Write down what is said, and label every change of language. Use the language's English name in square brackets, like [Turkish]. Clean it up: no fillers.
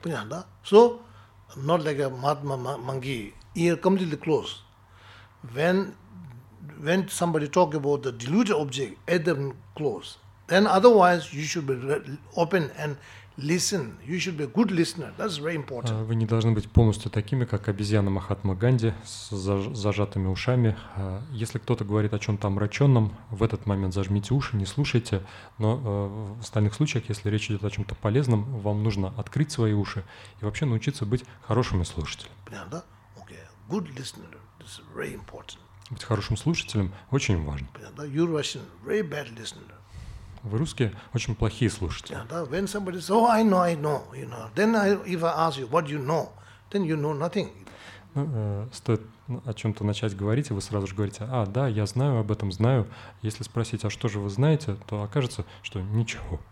[Russian] Понятно, да? [English] So not like a madman monkey, ear completely closed. When when somebody talk about the deluded object, at them close. Then otherwise you should be open and listen. You should be a good listener. That's very important. [Russian] Вы не должны быть полностью такими, как обезьяна Махатма Ганди, с зажатыми ушами. Если кто-то говорит о чем-то омраченном, в этот момент зажмите уши, не слушайте. Но в остальных случаях, если речь идет о чем-то полезном, вам нужно открыть свои уши и вообще научиться быть хорошими слушателями. Понятно? [English] Okay. Good listener. This is very important. [Russian] Быть хорошим слушателем очень важно. Понятно? [English] You're Russian. Very bad listener. [Russian] Вы русские очень плохие слушатели. [English] Yeah, that when somebody says, "Oh, I know, you know," then I, if I ask you, "What do you know?" then you know nothing. [Russian] Ну, стоит о чем-то начать говорить, и вы сразу же говорите: "А, да, я знаю об этом, знаю." Если спросить, а что же вы знаете, то окажется, что ничего.